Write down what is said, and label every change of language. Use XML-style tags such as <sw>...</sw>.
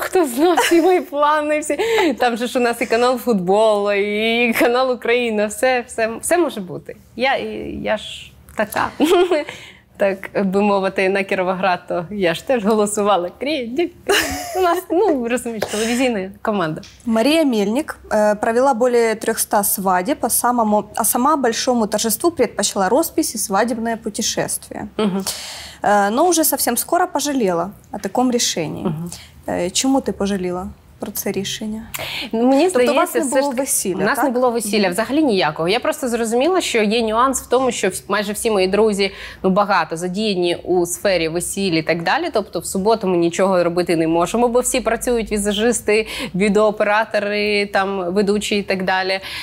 <uk>Хто знав всі мої плани, всі. Там же ж у нас і канал футболу, і канал Україна, все може бути. Я ж така, так би мовити, на Кіровоград, то я ж теж голосувала кренділь. У нас, ну, розумієш, телевізійна команда.</uk> <ru>Марія Мельник провела более 300 свадеб, а сама большому торжеству предпочла роспись и свадебное путешествие. Но уже совсем скоро пожалела о таком решении.</ru> <uk>Чому ти пожаліла про це рішення? Мені здається, тобто у вас не було весілля, у нас так? не було весілля, взагалі ніякого. Я просто зрозуміла, що є нюанс в тому, що майже всі мої друзі, ну, багато задіяні у сфері весіллі і так далі. Тобто в суботу ми нічого робити не можемо, бо всі працюють візажисти, відеооператори, там, ведучі і так далі.</uk>